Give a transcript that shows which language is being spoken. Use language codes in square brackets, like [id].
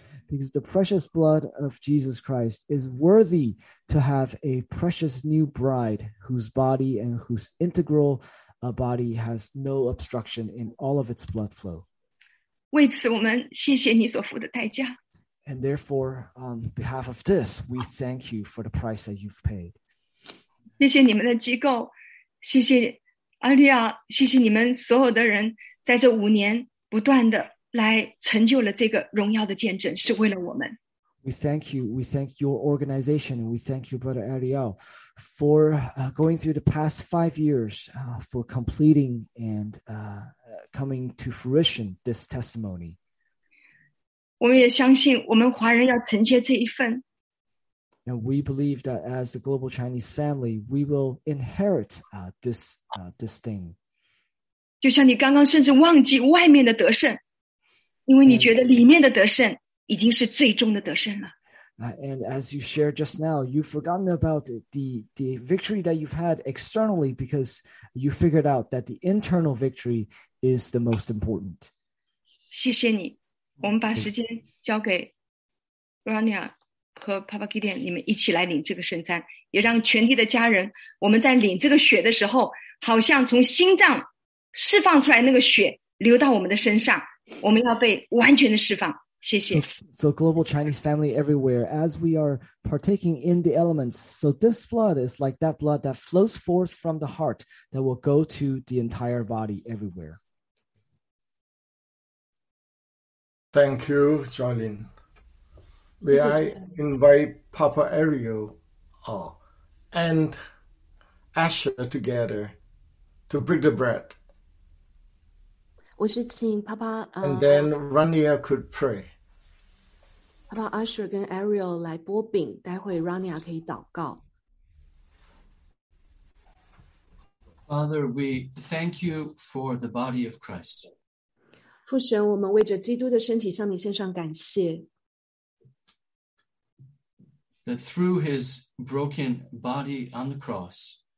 [en] Because the precious blood of Jesus Christ is worthy to have a precious new bride whose body and whose integral body has no obstruction in all of its blood flow. [zh] 为此我们谢谢你所付的代价。 [en] And therefore, on behalf of this, we thank you for the price that you've paid. [zh] 谢谢你们的机构，谢谢阿利亚，谢谢你们所有的人，在这五年不断的来成就了这个荣耀的见证，是为了我们。 [en] We thank you. We thank your organization. We thank you, Brother Ariel, for going through the past 5 years, for completing and coming to fruition this testimony. [zh] 我们也相信我们华人要承接这一份。 [en] And we believe that as the global Chinese family, we will inherit this thing. [zh] 就像你刚刚甚至忘记外面的得胜，因为你觉得里面的得胜已经是最终的得胜了。 [en] And as you shared just now, you've forgotten about the victory that you've had externally because you figured out that the internal victory is the most important. [zh] 谢谢你。我们把时间交给 Rania 和 Papa Gideon， 你们一起来领这个圣餐，也让全地的家人，我们在领这个血的时候，好像从心脏释放出来那个血流到我们的身上，我们要被完全的释放。 [en] So global Chinese family everywhere, as we are partaking in the elements, so this blood is like that blood that flows forth from the heart that will go to the entire body everywhere. Thank you, Jolin. May I invite Papa Ariel and Asher together to break the bread? And then Rania could pray. [zh] 他把Asher跟Ariel来剥饼, 待会Rania可以祷告。 [en] Father, we thank you for the body of Christ. [zh] 父神, 我们为着基督的身体向你献上感谢。 [en] That through his broken body on the cross,